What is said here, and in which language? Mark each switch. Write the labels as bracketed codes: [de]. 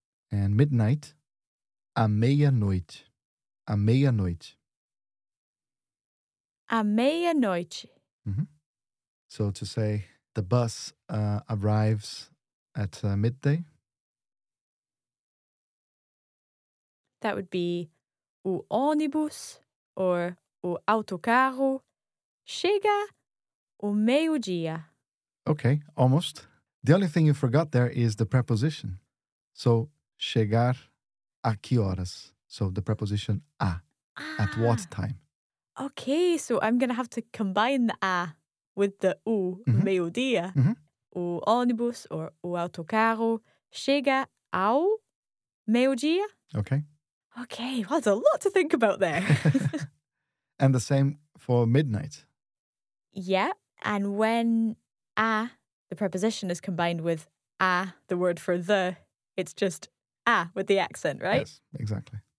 [en] And midnight, [pt] a meia-noite. A meia-noite. A meia-noite. Mm-hmm. [en] So to say the bus arrives at midday? That would be [pt] o ônibus or o autocarro chega o meio-dia. [en] Okay, almost. The only thing you forgot there is the preposition. So, [pt] chegar a que horas? [en] So, the preposition a. Ah. At what time? Okay, so I'm going to have to combine the a with the o, mm-hmm. [pt] meio-dia. Mm-hmm. O ônibus or o autocarro chega ao meio-dia? [en] Okay. Okay, well, there's a lot to think about there. And the same for midnight. Yeah, and when a, the preposition, is combined with a, the word for the, it's just a with the accent, right? Yes, exactly.